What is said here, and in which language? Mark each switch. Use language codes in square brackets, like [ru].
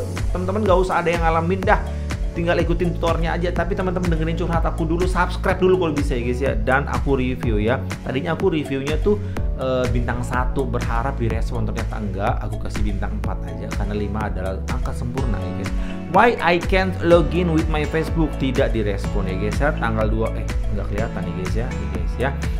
[id] Teman-teman gak usah ada yang ngalamin dah. Tinggal ikutin tutorialnya aja, tapi teman-teman dengerin curhat aku dulu, subscribe dulu kalau bisa ya guys ya. Dan aku review ya. Tadinya aku reviewnya tuh bintang 1 berharap direspon, ternyata enggak. Aku kasih bintang 4 aja karena 5 adalah angka sempurna ya guys. [en] Why I can't login with my Facebook? [id] Tidak direspon ya guys ya. Tanggal 2 enggak kelihatan ya guys ya. Ini guys ya.